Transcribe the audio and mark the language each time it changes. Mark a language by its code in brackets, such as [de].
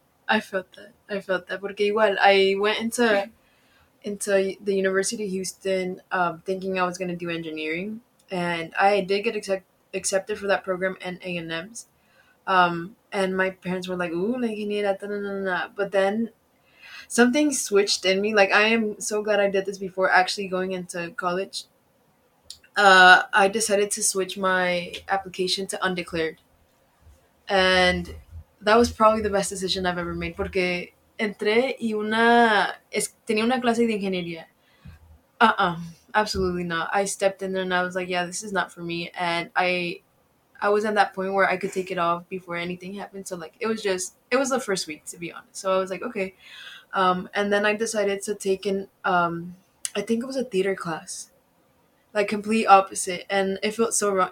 [en] I felt that [es] porque igual [en] I went into the University of Houston thinking I was going to do engineering, and I did get accepted for that program and A&M's, and my parents were like, ooh, like, you need that, but then something switched in me. Like, I am so glad I did this before actually going into college. I decided to switch my application to undeclared. And that was probably the best decision I've ever made. [es] Porque entré y tenía una clase de ingeniería. [en] Absolutely not. I stepped in there and I was like, yeah, this is not for me. And I was at that point where I could take it off before anything happened. So, like, it was the first week, to be honest. So I was like, okay. And then I decided to take I think it was a theater class, like complete opposite. And it felt so wrong.